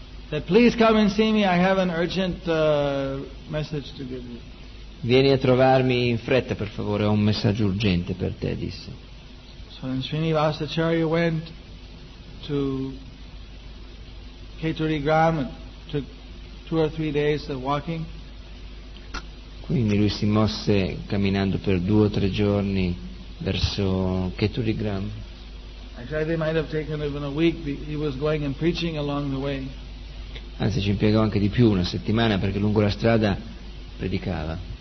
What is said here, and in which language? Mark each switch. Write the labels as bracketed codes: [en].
[en] That please come and see me, I have an urgent message to give you. [it] Vieni a trovarmi in fretta, per favore, ho un messaggio urgente per te, disse. [en] So Srinivas Acharya went to Keturi Gram and took two or three days of walking. [it] Quindi lui si mosse camminando per due o tre giorni verso Keturi Gram. [en] Actually, they might have taken even a week, but he was going and preaching along the way. [it] Anzi, ci impiegò anche di più, una settimana, perché lungo la strada predicava.